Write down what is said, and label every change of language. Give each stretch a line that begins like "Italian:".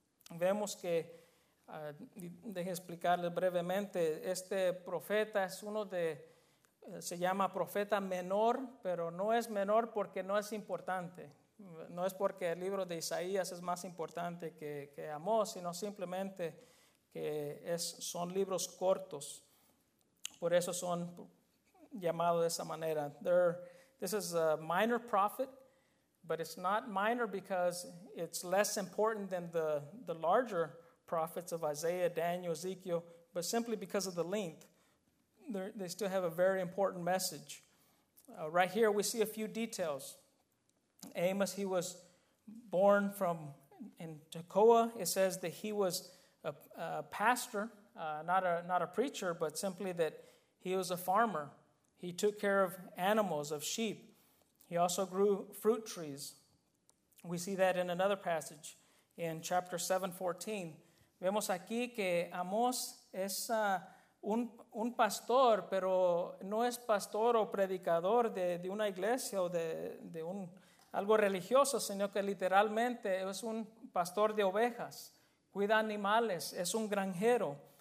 Spanish: Vemos que, deje explicarles brevemente, este profeta es uno de, se llama profeta menor, pero no es menor porque no es importante. No es porque el libro de Isaías es más importante que Amós, sino simplemente que son libros cortos. Por eso son llamados de esa manera.
English: This is a minor prophet, but it's not minor because it's less important than the larger prophets of Isaiah, Daniel, Ezekiel, but simply because of the length. They still have a very important message. Right here, we see a few details. Amos, he was born in Tekoa. It says that he was a pastor, not a preacher, but simply that he was a farmer. He took care of animals, of sheep. He also grew fruit trees. We see that in another passage in chapter 7:14.
Spanish: Vemos aquí que Amós es un pastor, pero no es pastor o predicador de una iglesia o de un algo religioso, sino que literalmente es un pastor de ovejas, cuida animales, es un granjero.